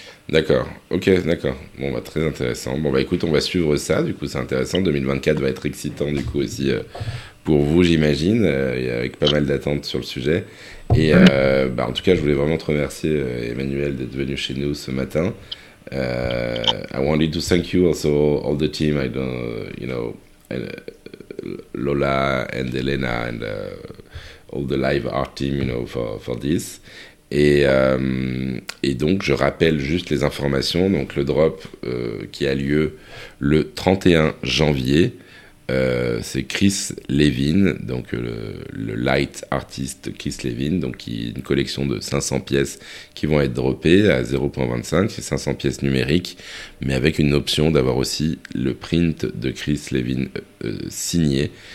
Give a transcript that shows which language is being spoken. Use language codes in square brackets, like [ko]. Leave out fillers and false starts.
[fr] D'accord, ok, d'accord. Bon, bah, très intéressant. Bon, bah écoute, on va suivre ça, du coup, c'est intéressant. 2024 va être excitant, du coup, aussi pour vous, j'imagine, avec pas mal d'attentes sur le sujet. Et bah, en tout cas, je voulais vraiment te remercier, Emmanuel, d'être venu chez nous ce matin. [en] I wanted to thank you also all the team. I don't, you know, Lola and Elena and all the live art team, you know, for this. [fr] Et donc, je rappelle juste les informations. Donc, le drop qui a lieu le 31 janvier, c'est Chris Levine, donc le light artist Chris Levine, donc qui est une collection de 500 pièces qui vont être droppées à 0.25, c'est 500 pièces numériques, mais avec une option d'avoir aussi le print de Chris Levine signé.